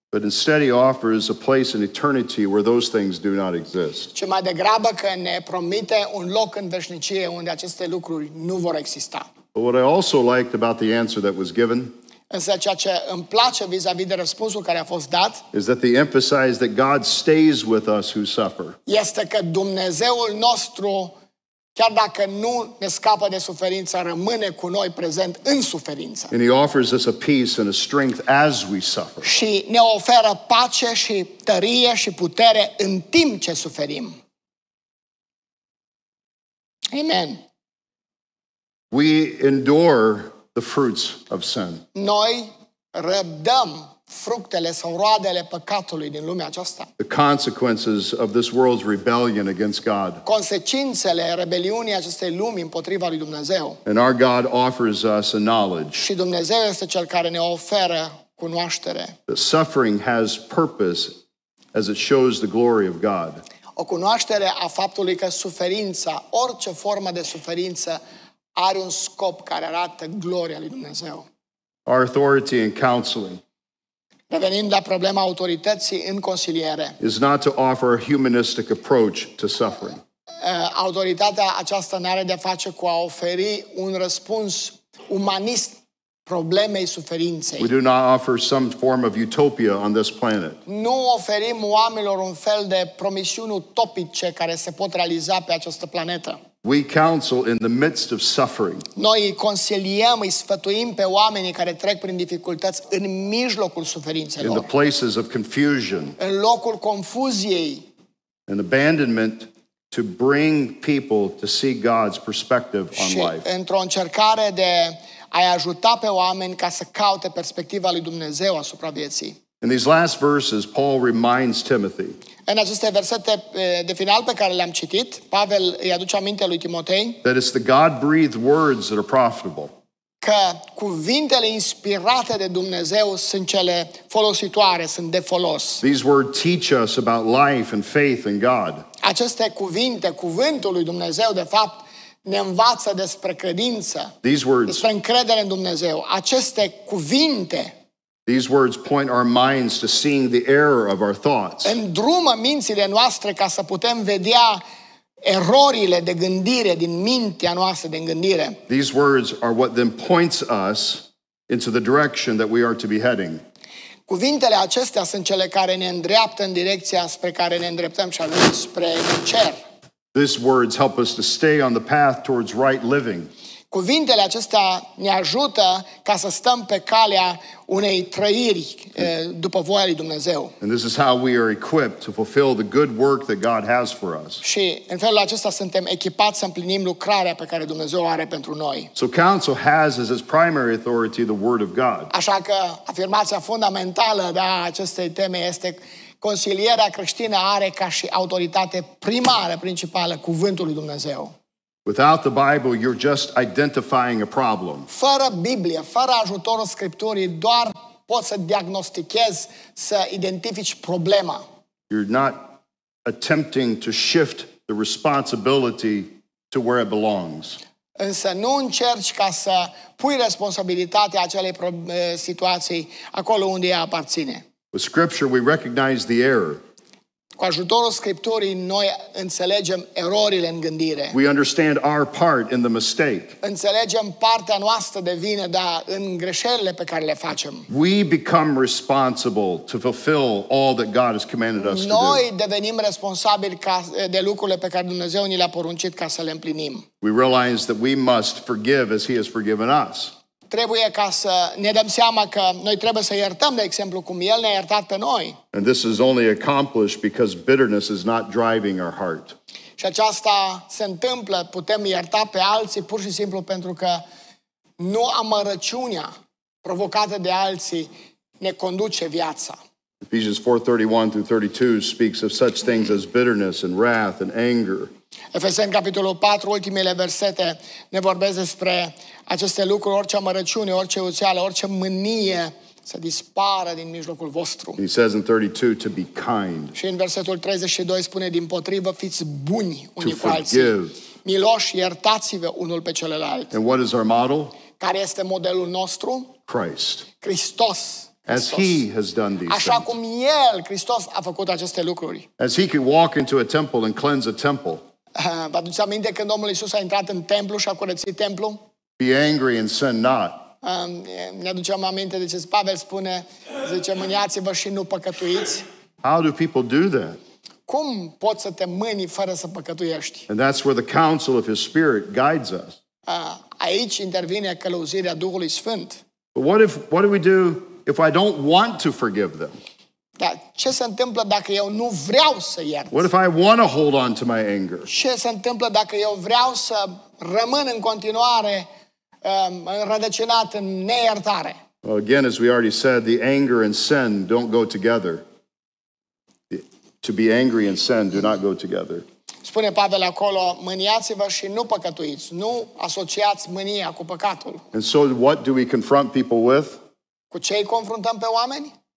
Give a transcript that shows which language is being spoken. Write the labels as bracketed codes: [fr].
[en] But instead he offers a place in eternity where those things do not exist. [ro] Ce mai degrabă că ne promite un loc în veșnicie unde aceste lucruri nu vor exista. [en] But what I also liked about the answer that was given, [ro] însă ceea ce îmi place vis-a-vis de răspunsul care a fost dat, [en] is that they emphasize that God stays with us who suffer. [ro] Este că Dumnezeul nostru, chiar dacă nu ne scapă de suferință, rămâne cu noi prezent în suferință. [en] And he offers us a peace and a strength as we suffer. [ro] Și ne oferă pace și tărie și putere în timp ce suferim. [en] Amen. We endure the fruits of sin. [ro] Noi răbdăm fructele sau roadele păcatului din lumea aceasta. [en] The consequences of this world's rebellion against God. [ro] Consecințele rebeliunii acestei lumi împotriva lui Dumnezeu. [en] And our God offers us a knowledge. [ro] Și Dumnezeu este cel care ne oferă cunoaștere. [en] The suffering has purpose as it shows the glory of God. [ro] O cunoaștere a faptului că suferința, orice formă de suferință, are un scop care arată gloria lui Dumnezeu. [en] Our authority in counseling. [ro] Revenind la problema autorității în consiliere. [en] Is not to offer a humanistic approach to suffering. [ro] Autoritatea aceasta n-are de face cu a oferi un răspuns umanist problemei suferinței. [en] We do not offer some form of utopia on this planet. [ro] Nu oferim oamenilor un fel de promisiuni utopice care se pot realiza pe această planetă. [en] We counsel in the midst of suffering. [ro] Noi îi consiliem, îi sfătuim pe oamenii care trec prin dificultăți în mijlocul suferințelor. [en] In the places of confusion. [ro] În locul confuziei. [en] And abandonment to bring people to see God's perspective on life. [ro] Și într-o încercare de a-i ajuta pe oameni ca să caute perspectiva lui Dumnezeu asupra vieții. [en] In these last verses, Paul reminds Timothy. [ro] În aceste versete de final pe care le-am citit, Pavel îi aduce aminte lui Timotei. [en] That it's the God-breathed words that are profitable. [ro] Că cuvintele inspirate de Dumnezeu sunt cele folositoare, sunt de folos. [en] These words teach us about life and faith in God. [ro] Aceste cuvinte, cuvântul lui Dumnezeu, de fapt, ne învață despre credință. [en] These words. [ro] Despre încredere în Dumnezeu. Aceste cuvinte. [en] These words point our minds to seeing the error of our thoughts. [ro] Îndrumă mințile noastre ca să putem vedea erorile de gândire din mintea noastră de gândire. [en] These words are what then points us into the direction that we are to be heading. [ro] Cuvintele acestea sunt cele care ne îndreaptă în direcția spre care ne îndreptăm și anume spre cer. [en] These words help us to stay on the path towards right living. [ro] Cuvintele acestea ne ajută ca să stăm pe calea unei trăiri după voia lui Dumnezeu. [en] And this is how we are equipped to fulfill the good work that God has for us. [ro] Și în felul acesta suntem echipați să împlinim lucrarea pe care Dumnezeu o are pentru noi. [en] So counsel has as its primary authority the word of God. [ro] Așa că afirmația fundamentală de a acestei teme este consilierea creștină are ca și autoritate primară, principală, cuvântul lui Dumnezeu. [en] Without the Bible, you're just identifying a problem. [ro] Fără Biblie, fără ajutorul Scripturii, doar poți să diagnostichezi, să identifici problema. [en] You're not attempting to shift the responsibility to where it belongs. [ro] Însă nu încerci ca să pui responsabilitatea acelei situații acolo unde ea aparține. [en] With Scripture, we recognize the error. [ro] Cu ajutorul Scripturii noi înțelegem erorile în gândire. [en] We understand our part in the mistake. [ro] Înțelegem partea noastră de vină, dar în greșelile pe care le facem. [en] We become responsible to fulfill all that God has commanded us to do. [ro] Noi devenim responsabili de lucrurile pe care Dumnezeu ni le-a poruncit ca să le împlinim. [en] We realize that we must forgive as He has forgiven us. [ro] Trebuie ca să ne dăm seama că noi trebuie să iertăm, de exemplu, cum El ne-a iertat pe noi. [en] And this is only accomplished because bitterness is not driving our heart. [ro] Și aceasta se întâmplă, putem ierta pe alții pur și simplu pentru că nu amărăciunea provocată de alții ne conduce viața. [en] Ephesians 4:31-32 speaks of such things as bitterness and wrath and anger. [ro] Efeseni, capitolul 4, ultimele versete, ne vorbesc despre aceste lucruri, orice amărăciune, orice uțeală, orice mânie să dispară din mijlocul vostru. [en] He says in 32, to be kind. [ro] Și în versetul 32 spune, dimpotrivă, fiți buni unii [en] to [ro] cu alții. [en] Forgive. [ro] Miloși, iertați-vă unul pe celălalt. [en] And what is our model? [ro] Care este modelul nostru? [en] Christ. [ro] Hristos. [en] As He has done these [ro] Așa cum El, Hristos, a făcut aceste lucruri. [en] As He could walk into a temple and cleanse a temple. [ro] Vă aduceți aminte când Domnul Iisus a intrat în templu și a curățit templu? [en] Be angry and sin not. [ro] Ne aducem aminte de ce Pavel spune, zice, mâniați-vă și nu păcătuiți. [en] How do people do that? [ro] Cum poți să te mâni fără să păcătuiești? [en] And that's where the counsel of His Spirit guides us. [ro] Aici intervine călăuzirea Duhului Sfânt. [en] But what if, what do we do if I don't want to forgive them? [ro] Dar ce se întâmplă dacă eu nu vreau să iert? [en] What if I want to hold on to my anger? [ro] Ce se întâmplă dacă eu vreau să rămân în continuare înrădăcinat în neiertare? [en] Well, again, as we already said, the anger and sin don't go together. To be angry and sin do not go together. [ro] Spune Pavel acolo, mâniați-vă și nu păcătuiți. Nu asociați mânia cu păcatul. [en] And so what do we confront people with? [ro] Cu ce îi confruntăm pe oameni?